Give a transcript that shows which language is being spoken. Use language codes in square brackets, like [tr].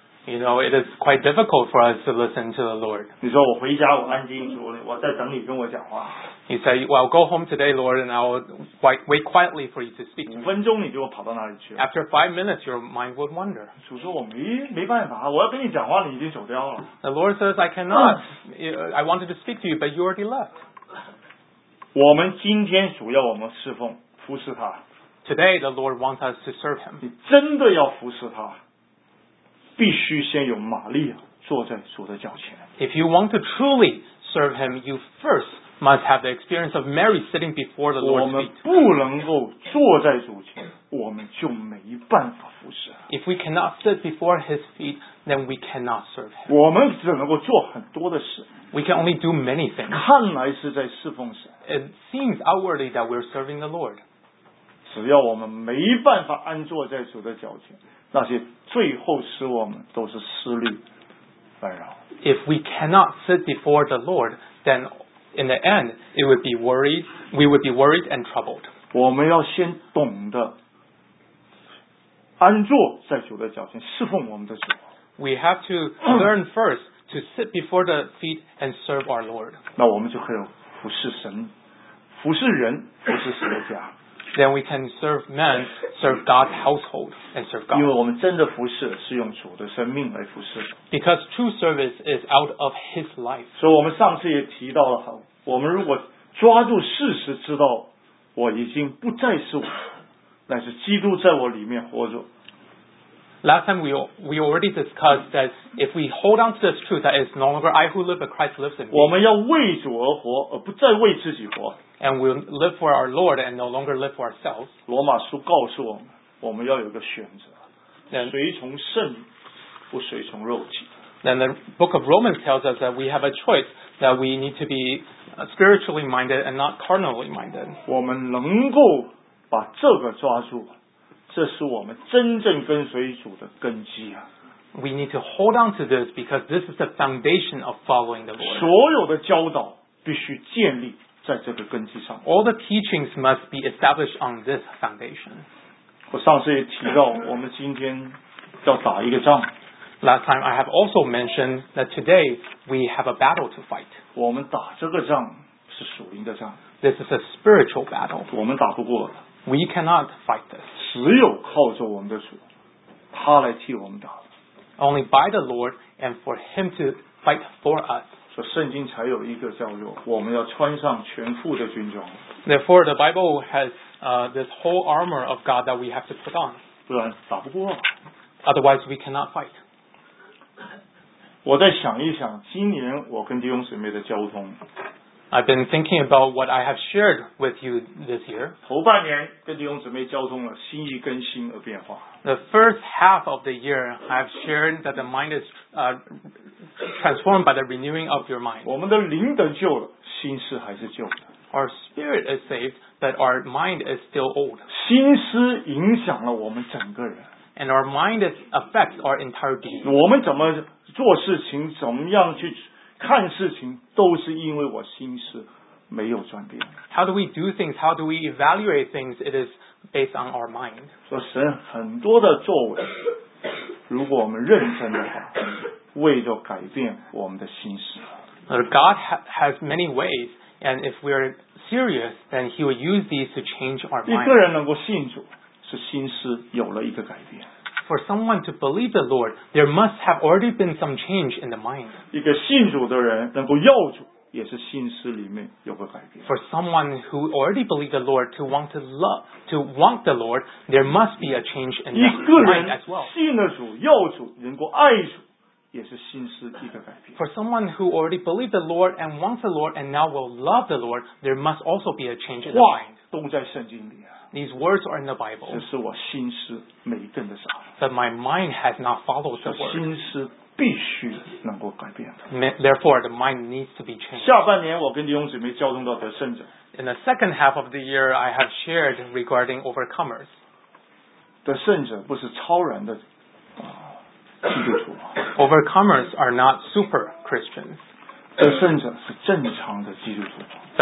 [en] You know, it is quite difficult for us to listen to the Lord. [zh] 你说我回家，我安静，我在等你跟我讲话。 [en] You say, "Well, I'll go home today, Lord, and I'll wait quietly for you to speak." [zh] 五分钟你就跑到哪里去了 [en] ？After 5 minutes, your mind would wander. [zh] 主说我没办法，我要跟你讲话，你已经走掉了。 [en] The Lord says, "I cannot. I wanted to speak to you, but you already left." [zh] 我们今天主要我们侍奉服侍他。 [en] Today the Lord wants us to serve Him. [zh] 你真的要服侍他，必须先有玛利亚坐在主的脚前。 [en] If you want to truly serve Him, you first must have the experience of Mary sitting before the Lord's feet. [zh] 我们不能够坐在主前，我们就没办法服侍。 [en] If we cannot sit before His feet, then we cannot serve Him. [zh] 我们只能够做很多的事。 [en] We can only do many things. [zh] 看来是在侍奉神。 [en] It seems outwardly that we're serving the Lord. [zh] 只要我们没办法安坐在主的脚前，那些最后使我们都是思虑烦扰。 [en] If we cannot sit before the Lord, then in the end, it would be worried. We would be worried and troubled. [zh] 我们要先懂得安坐在主的脚前，侍奉我们的主。 [en] We have to learn first to sit before the feet and serve our Lord. [zh] 那我们就可以服侍神，服侍人，服侍神的家。 [en] Then we can serve man, serve God's household, and serve God. [zh] 因为我们真的服侍是用主的生命来服侍。 [en] Because true service is out of His life. [zh] 所以我们上次也提到了，我们如果抓住事实，知道我已经不再是我，乃是基督在我里面活着。 [en] Last time we already discussed that if we hold on to this truth that it's no longer I who live but Christ lives in me. [zh] 我们要为主而活，而不再为自己活。 [en] And we'll live for our Lord and no longer live for ourselves. [zh] 罗马书告诉我们，我们要有个选择，随从圣灵，不随从肉体。 [en] Then the book of Romans tells us that we have a choice, that we need to be spiritually minded and not carnally minded. [zh] 我们能够把这个抓住，这是我们真正跟随主的根基啊。 [en] We need to hold on to this because this is the foundation of following the Lord. [zh] 所有的教导必须建立在这个根基上。 [en] All the teachings must be established on this foundation. [zh] 我上次也提到，我们今天要打一个仗。 [en] Last time I have also mentioned that today we have a battle to fight. [zh] 我们打这个仗是属灵的仗。 [en] This is a spiritual battle. [zh] 我们打不过的。 [en] We cannot fight this. [zh] 只有靠着我们的主，他来替我们打。 [en] Only by the Lord and for Him to fight for us. [zh] 所以圣经才有一个叫做我们要穿上全副的军装。 [en] Therefore, the Bible has this whole armor of God that we have to put on. [zh] 不然打不过。 [en] Otherwise, we cannot fight. [zh] 我再想一想，今年我跟弟兄姊妹的交通。 [en] I've been thinking about what I have shared with you this year. [zh] 头半年跟弟兄姊妹交通了，心意更新而变化。 [en] The first half of the year, I've shared that the mind is transformed by the renewing of your mind. [zh] 我们的灵得救了，心思还是旧的。 [en] Our spirit is saved, but our mind is still old. [zh] 心思影响了我们整个人。 [en] And our mind affects our entire being. [zh] 我们怎么做事情，怎么样去看事情，都是因为我心思没有转变。 [en] How do we do things? How do we evaluate things? It is based on our mind. [zh] 说神很多的作为，如果我们认真的话，为着改变我们的心思。 [en] God has many ways, and if we are serious, then He will use these to change our mind. [zh] 一个人能够信主，是心思有了一个改变。 [en] For someone to believe the Lord, there must have already been some change in the mind. [zh] 一个信主的人能够要主，也是心思里面有个改变。 [en] For someone who already believed the Lord to want the Lord, there must be a change in the mind as well. [zh] 信了主，要主，能够爱主，也是心思一个改变。 [en] For someone who already believed the Lord and wants the Lord and now will love the Lord, there must also be a change in the mind. [zh] 都在圣经里啊。 [en] These words are in the Bible. [zh] 这是我心思没跟得上。 [en] But my mind has not followed the word. [zh] 心思必须能够改变的。 [en] Therefore, the mind needs to be changed. [zh] 下半年我跟弟兄姊妹交通到得胜者。 [en] In the second half of the year, I have shared regarding overcomers. [zh] 得胜者不是超然的基督徒。 [en] Overcomers are not super Christians. [zh] 得胜者是正常的基督徒。